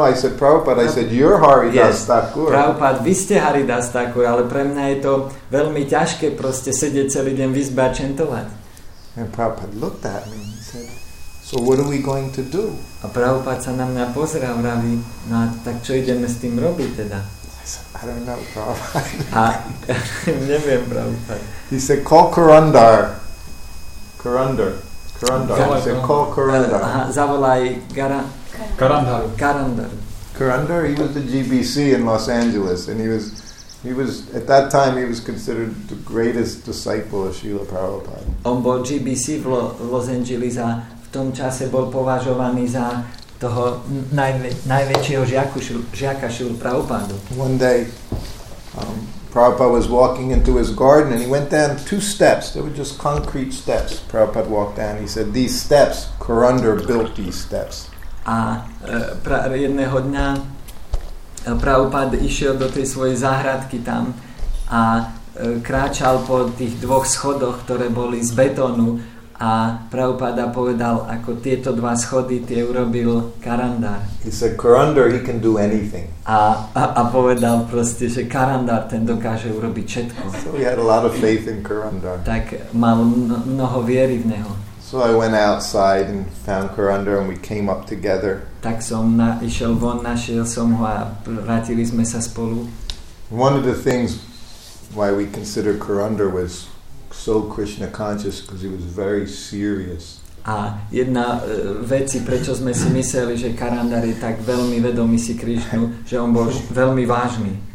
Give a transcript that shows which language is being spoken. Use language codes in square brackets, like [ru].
[sk] Prabhupada, vy ste Haridas Thakur, ale pre mňa je to veľmi ťažké proste sedieť celý deň v izbe a čentovať. [en] And Prabhupada looked at me and said, so what are we going to do? [sk] A Prabhupada sa na mňa pozeral, vraví, no a tak čo ideme s tým robiť teda? [en] I don't know, Prabhupada. [sk] Neviem, Prabhupada. [en] He said, call Karandar. Karandar, he was the GBC in Los Angeles, and he was at that time he was considered the greatest disciple of Srila Prabhupada. [sk] On bol GBC v Los Angeles a v tom čase bol považovaný za toho najväčšieho žiaka Srila Prabhupada. [en] One day Prabhupada was walking into his garden and he went down two steps. They were just concrete steps. Prabhupada walked down and he said, these steps, Karandar built these steps. [sk] A jedného dňa Prabhupada išiel do tej svojej záhradky tam a kráčal po tých dvoch schodoch, ktoré boli z betónu, a Prabhupada povedal, ako tieto dva schody tie urobil Karandar. [en] He said, Karandar, he can do anything. [sk] A povedal proste, že Karandar, ten dokáže urobiť všetko. [en] So he had a lot of faith in Karandar. [sk] Tak mal mnoho viery v neho. [en] So I went outside and found Karandar and we came up together. [sk] Tak som išiel von, našiel som ho a vrátili sme sa spolu. [en] One of the things why we consider Karandar was so Krishna conscious because he was very serious. [sk] A jedna veci, prečo sme si mysleli, že Karandar je tak veľmi vedomý si Krišnu, že on bol veľmi vážny.